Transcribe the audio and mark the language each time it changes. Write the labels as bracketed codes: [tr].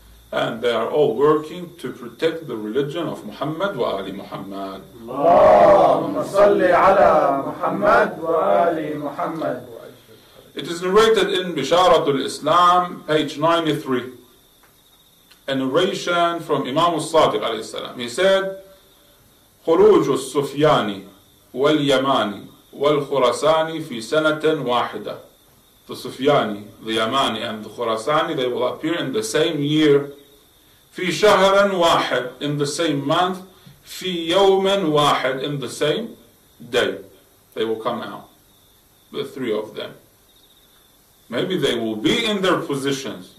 [en] And they are all working to protect the religion of Muhammad wa Ali Muhammad. Allahumma salli ala Muhammad wa Ali Muhammad. It is narrated in Bisharatul Islam, page 93. A narration from Imam al-Sadiq alayhi salam. He said, [ar] خُرُوجُ السُّفْيَانِ وَالْيَمَانِ وَالْخُرَسَانِ فِي سَنَةٍ وَاحِدَةٍ. [en] The Sufyani, the Yamani, and the Khurasani, they will appear in the same year. [ar] في شهر واحد, [en] in the same month. [ar] في يوم واحد, [en] in the same day. They will come out, the three of them. Maybe they will be in their positions.